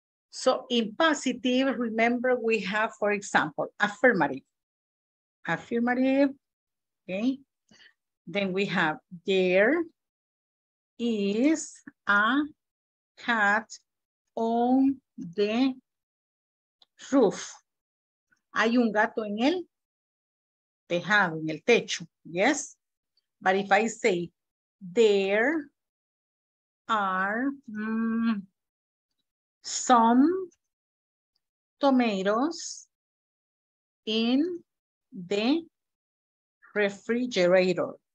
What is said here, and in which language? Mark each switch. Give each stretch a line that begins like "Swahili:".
English: So in positive, remember we have, for example, affirmative. Affirmative, okay? Then we have, there is a cat on the roof.
Spanish: Hay un gato en el tejado, en el techo, yes?
English: But if I say, there are some tomatoes in the refrigerator.